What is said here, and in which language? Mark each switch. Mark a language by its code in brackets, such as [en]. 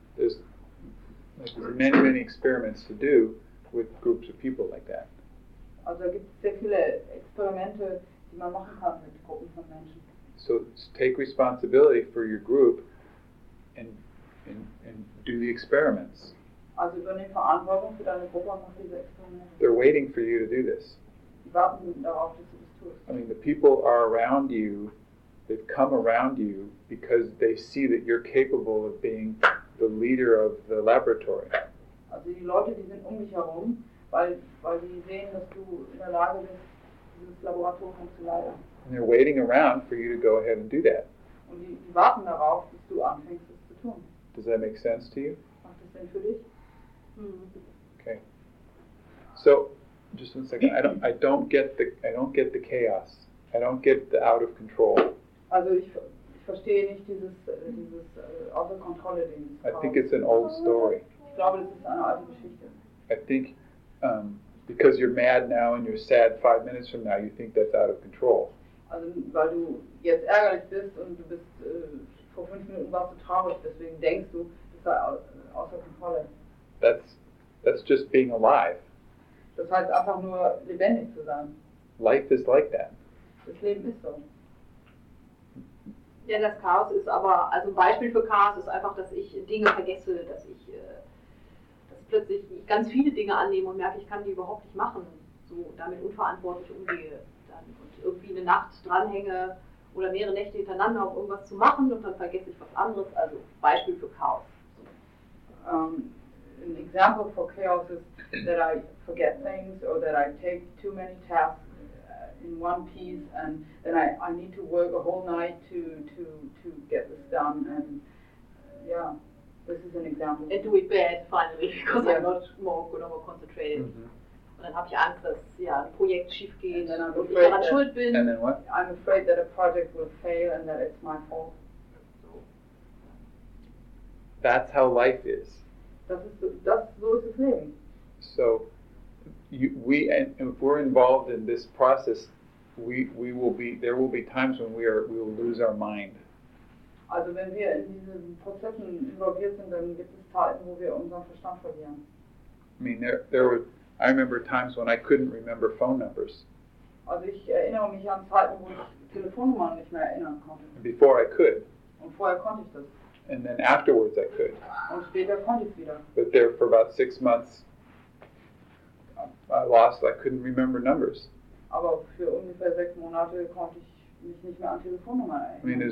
[en] There's many, many experiments to do with groups of people like that. [de] Also da gibt es sehr viele Experimente, die man machen kann mit Gruppen von Menschen. [en] So take responsibility for your group and do the experiments. [de] Also übernehme Verantwortung für deine Gruppe und mach diese Experimente. [en] They're waiting for you to do this. [de] Die warten darauf, dass du das tust. [en] I mean, the people are around you, they've come around you because they see that you're capable of being the leader of the laboratory. [de] Also die Leute, die sind um mich herum, weil sie sehen, dass du in der Lage bist, dieses Laboratorium zu leiten. [en] And they're waiting around for you to go ahead and do that. [de] Und die warten darauf, dass du anfängst, das zu tun. [en] Does that make sense to you? [de] Macht das Sinn für dich? [en] Okay. So, just one second. I don't get the chaos. I don't get the out of control. [de] Also ich verstehe nicht dieses außer Kontrolle Ding. [en] I think it's an old story. [de] Ich glaube, das ist eine alte Geschichte. [en] I think because you're mad now and you're sad 5 minutes from now, you think that's out of control. [de] Also weil du jetzt ärgerlich bist und du bist vor 5 Minuten warst du traurig, deswegen denkst du, das sei außer Kontrolle. [en] That's just being alive. [de] Das heißt einfach nur lebendig zu sein. [en] Life is like that. [de] Das Leben ist so. Ja, das Chaos ist aber, also ein Beispiel für Chaos ist einfach, dass ich Dinge vergesse, dass ich plötzlich ganz viele Dinge annehme und merke, ich kann die überhaupt nicht machen, so damit unverantwortlich umgehe dann und irgendwie eine Nacht dranhänge oder mehrere Nächte hintereinander, um irgendwas zu machen und dann vergesse ich was anderes, also Beispiel für Chaos. [en] An example for chaos is that I forget things or that I take too many tasks in one piece and then I need to work a whole night to get this done and yeah. This is an example. And do it bad, finally, because yeah. I'm not more good or more concentrated. Mm-hmm. [de] Und dann habe ich Angst, dass ja, ein Projekt schief geht und ich daran schuld bin. [en] And then what? I'm afraid that a project will fail and that it's my fault. So, That's how life is. [de] Das ist das Leben. [en] So, if we're involved in this process, we will be times when we will lose our mind. [de] Also, wenn wir in diesen Prozessen involviert sind, dann gibt es Zeiten, wo wir unseren Verstand verlieren. [en] I mean, I remember times when I couldn't remember phone numbers. [de] Also, ich erinnere mich an Zeiten, wo ich Telefonnummern nicht mehr erinnern konnte. [en] Before I could. [de] Und vorher konnte ich das. [en] And then afterwards I could. [de] Und später konnte ich wieder. [en] But there for about 6 months, I couldn't remember numbers. [de] Aber für ungefähr 6 Monate konnte ich mich nicht mehr an Telefonnummern erinnern.